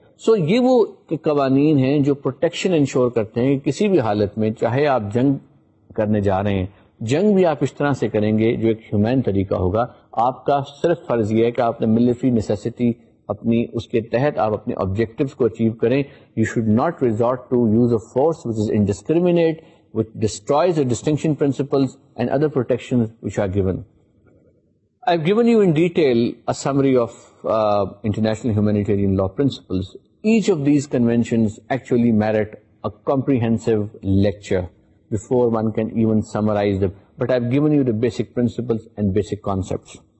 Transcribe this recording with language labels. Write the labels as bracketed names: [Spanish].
[Urdu] سو یہ وہ قوانین ہیں جو پروٹیکشن انشور کرتے ہیں کہ کسی بھی حالت میں چاہے آپ جنگ کرنے جا رہے ہیں, جنگ بھی آپ اس طرح سے کریں گے جو ایک ہیومین طریقہ ہوگا, آپ کا صرف فرض یہ ہے کہ آپ نے ملٹری نیسیسٹی اپنی اس کے تحت آپ اپنے آبجیکٹیوز کو اچیو کریں. [English] You should not resort to use a force which is indiscriminate which destroys the distinction principles and other protections which are given. I have given you in detail a summary of international humanitarian law principles. Each of these conventions actually merit a comprehensive lecture before one can even summarize them, but I've given you the basic principles and basic concepts.